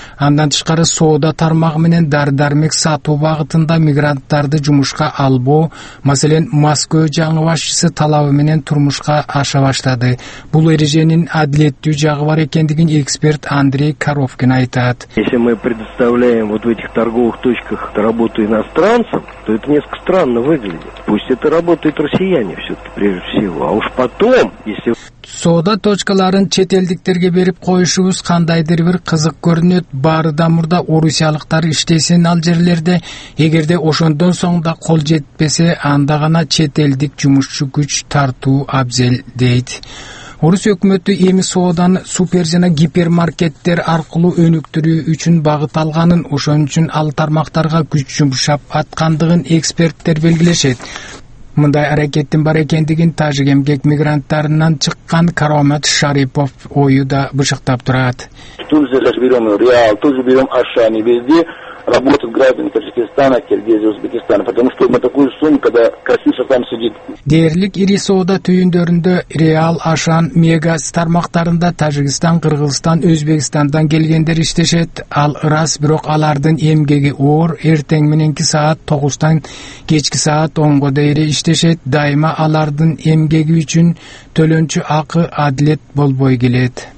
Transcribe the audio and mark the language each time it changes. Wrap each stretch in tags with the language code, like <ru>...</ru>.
<ky>Андан тышкары соода тармагы менен дары дармек сатуу багытында мигранттарды жумушка албоо, маселен Москва жаңы башчысы талабы менен турмушка аша баштады. Бул эреженин адилеттүү жагы бар экендигин эксперт Андрей Коровкин айтат.</ky> <ru>Если мы предоставляем вот в этих торговых точках работу иностранцам, то это несколько странно выглядит. Пусть это работают россияне все-таки прежде всего. А уж потом, если...</ru> <ky>Соода точкаларын чет элдиктерге берип коюшубуз кандайдыр бир кызык көрүнөт. Баарыда мурда орусиялыктар иштесин ал жерлерде. Эгерде ошондон соң да кол жетпесе, анда гана чет элдик жумушчу күч тартуу абзел дейт. Орус өкмөтү эми сооданы супер жана гипермаркеттер аркылуу өнүктүрүү үчүн багыт алганын, ошон үчүн ал тармактарга күч жумшап аткандыгын эксперттер белгилешет. Мындай аракеттин бар экендигин тажик эмгек мигранттарынан чыккан Карамат Шарипов ою да бышыктап турат.</ky> <ru>Работают граждане Таджикистана, Киргизии, Узбекистана, потому что мы такую сумму, когда Красиша там сидит.</ru> <ky>Дерлик ири соода түйүндөрүндө Реал, Ашан, Мега тармактарында Таджикистан, Кыргызстан, Өзбекистандан келгендер иштешет. Ал ырас, бирок алардын эмгеги оор. Эртең мененки саат 9:00 кечки саат 10:00 дейре иштешет. Дайыма алардын эмгеги үчүн төлөнчү акы адилет болбой келет.</ky>